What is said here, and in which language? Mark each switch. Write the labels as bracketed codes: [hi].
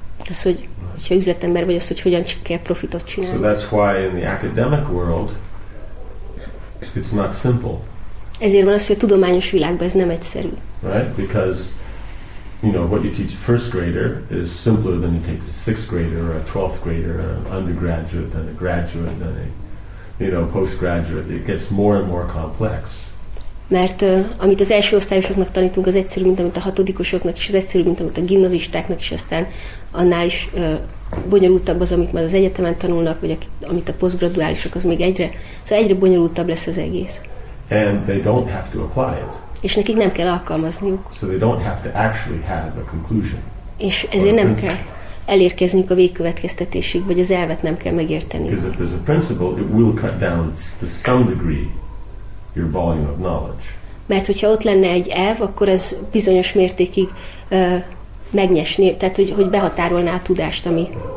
[hu] Az, hogyha üzletember vagy, az, hogy hogyan kell profitot csinálni. [en] So that's why in the academic world, it's not simple. [hu] Ezért van az, hogy a tudományos világban ez nem egyszerű. [en] Right? Because, you know, what you teach a first grader is simpler than you teach a sixth grader or a twelfth grader or an undergraduate than a graduate than a, you know, postgraduate. It gets more and more complex. [hu] Mert amit az első osztályosoknak tanítunk, az egyszerű, mint amit a hatodikosoknak, és az egyszerű, mint amit a gimnazistáknak, és aztán annál is bonyolultabb az, amit már az egyetemen tanulnak, vagy amit a posztgraduálisok, az még egyre. Szóval egyre bonyolultabb lesz az egész. [en] And they don't have to apply it. [hu] És nekik nem kell alkalmazniuk. [en] So they don't have to actually have a conclusion. [hu] És ezért nem kell elérkezniük a végkövetkeztetésig, vagy az elvet nem kell megérteniük. [en] Because if there's a principle, it will cut down to some degree your volume of knowledge. [hu] Mert hogyha ott lenne egy elv, akkor ez bizonyos mértékig megnyesni, tehát hogy behatárolná a tudást, amit.